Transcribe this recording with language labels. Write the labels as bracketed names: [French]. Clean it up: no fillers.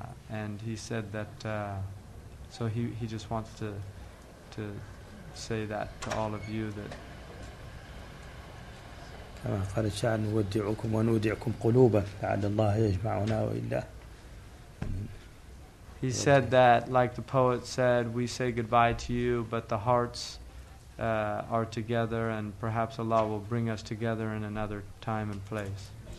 [English] And he said that, so he just wants to say that to all of you that [Arabic] كما قال الشاعر نودعكم ونودعكم قلوبا لعل الله يجمعنا وإلا. [English] He said that, like the poet said, we say goodbye to you, but the hearts are together, and perhaps Allah will bring us together in another time and place.